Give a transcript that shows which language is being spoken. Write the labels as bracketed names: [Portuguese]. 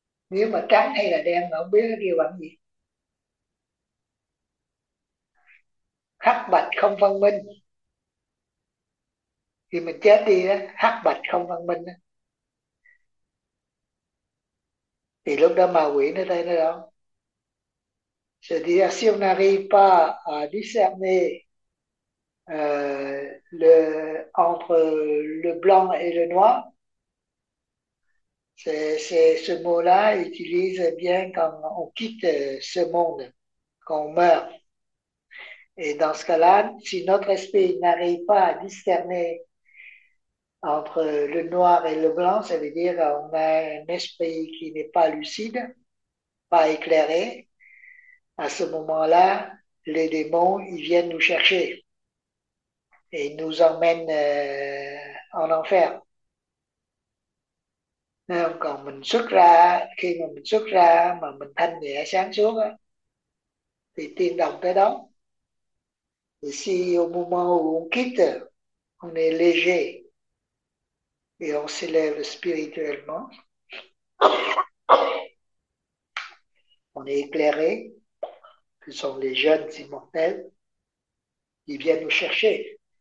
[Vietnamese] Nếu mà trắng hay là đen mà không biết nó kêu bằng gì. Hắc bạch không phân minh. Thì mình chết đi đó, hắc bạch không phân minh đó. Thì lúc đó ma quỷ nó thấy nó đó. [French] C'est-à-dire, si on n'arrive pas à discerner entre le blanc et le noir, ce mot-là utilise bien quand on quitte ce monde, quand on meurt. Et dans ce cas-là, si notre esprit n'arrive pas à discerner entre le noir et le blanc, ça veut dire qu'on a un esprit qui n'est pas lucide, pas éclairé. À ce moment-là, les démons, ils viennent nous chercher et nous emmènent en enfer. [Vietnamese] Nên quand mình xuất ra, khi mà mình xuất ra mà mình thanh nhẹ sáng suốt á, thì tiên đồng tới đó. [French] Thì si au moment où on quitte, on est léger, et on s'élève spirituellement. On est éclairé, ce sont les jeunes immortels, ils viennent nous chercher.